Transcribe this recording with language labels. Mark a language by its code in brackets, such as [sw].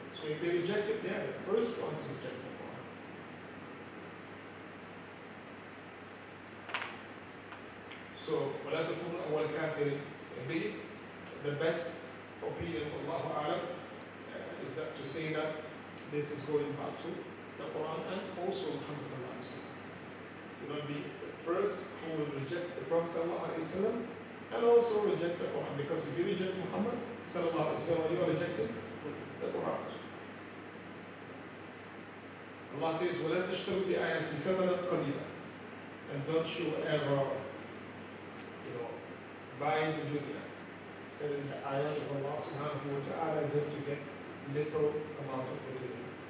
[en] So if they reject it, they're the first one to reject the Quran. [ar] So, وَلَا تَكُونَ أَوَّلَ كَافِرٍ بِهِ. [en] The best opinion of Allah A'lam is that to say that this is going back to the Quran and also Muhammad sallallahu alayhi wa sallam. You will be the first who will reject the Prophet sallallahu alayhi wa sallam and also reject the Quran. Because if you reject Muhammad sallallahu alayhi wa sallam, you are rejecting the Quran. Allah says, [ar] وَلَا تَشْتَرُوا بِآيَاتِ ثَمَنًا قَلِيلًا. [en] And don't you ever, buy the dunya, selling the ayat of Allah subhanahu wa ta'ala just to get little amount of the dunya.